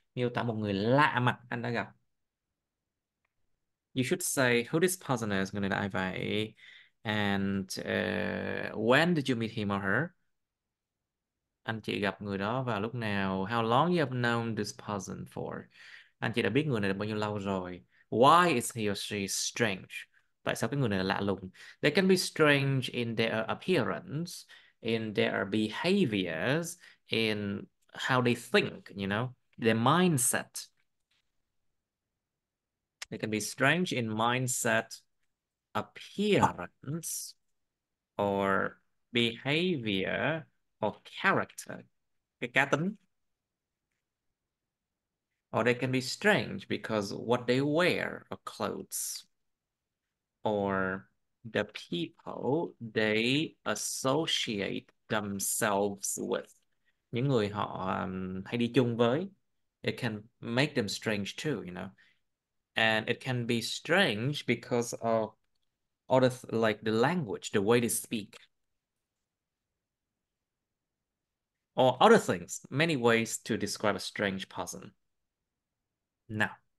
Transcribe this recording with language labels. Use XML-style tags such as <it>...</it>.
<vi>Miêu tả một người lạ mặt anh đã gặp.</vi> <en>You should say who this person is,</en> <vi>người này là ai vậy?</vi> <en>And when did you meet him or her?</en> <vi>Anh chị gặp người đó vào lúc nào?</vi> <en>How long you have known this person for?</en> <vi>Anh chị đã biết người này được bao nhiêu lâu rồi?</vi> <en>Why is he or she strange?</en> <vi>Tại sao cái người này là lạ lùng?</vi> <en>They can be strange in their appearance, in their behaviors, in how they think, you know, their mindset. They can be strange in mindset, appearance, or behavior, or character,</en> <vi>cái cá tính.</vi> <en>Or they can be strange because what they wear or clothes, or the people they associate themselves with.</en> <vi>Những người họ hay đi chung với,</vi> <en>it can make them strange too, you know. And it can be strange because of all the, like the language, the way they speak. Or other things, many ways to describe a strange person. Now.</en>